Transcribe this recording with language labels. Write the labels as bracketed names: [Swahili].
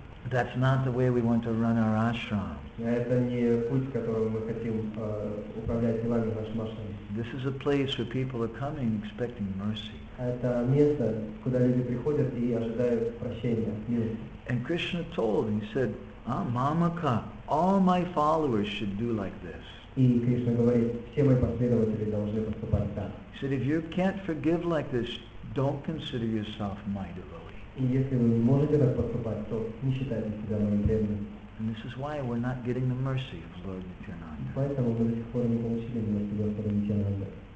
[English] That's not the way we want to run our ashram. [Russian] Это не путь, которым мы хотим управлять делами в нашем ашраме. [English] This is a place where people are coming expecting mercy. [Russian] Это место, куда люди приходят и ожидают прощения, милости. [English] And Krishna told, he said, Mamaka, all my followers should do like this. [Russian] И Кришна говорит, все мои последователи должны поступать так. [English] He said, if you can't forgive like this, don't consider yourself my devotee. [Russian] И если вы не можете так поступать, то не считайте себя моим преданным. [English] And this is why we're not getting the mercy of Lord Nityananda. [Russian] Поэтому мы до сих пор не получили милости Господа Нитянанда.